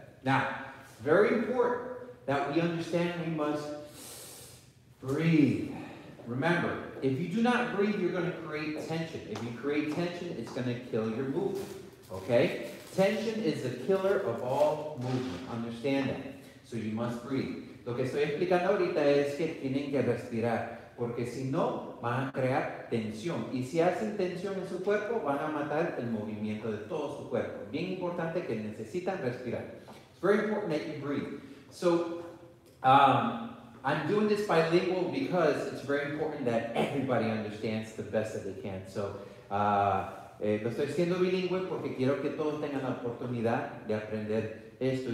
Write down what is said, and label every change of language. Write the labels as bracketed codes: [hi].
[en] Now, very important that we understand we must breathe. Remember, if you do not breathe, you're going to create tension. If you create tension, it's going to kill your movement, okay? Tension is the killer of all movement. Understand that. So you must breathe. [es] Lo que estoy explicando ahorita es que tienen que respirar, porque si no, van a crear tensión. Y si hacen tensión en su cuerpo, van a matar el movimiento de todo su cuerpo. Bien importante que necesitan respirar. [en] It's very important that you breathe. So, I'm doing this bilingual because it's very important that everybody understands the best that they can. So, [es] lo estoy siendo bilingüe porque quiero que todos tengan la oportunidad de aprender esto.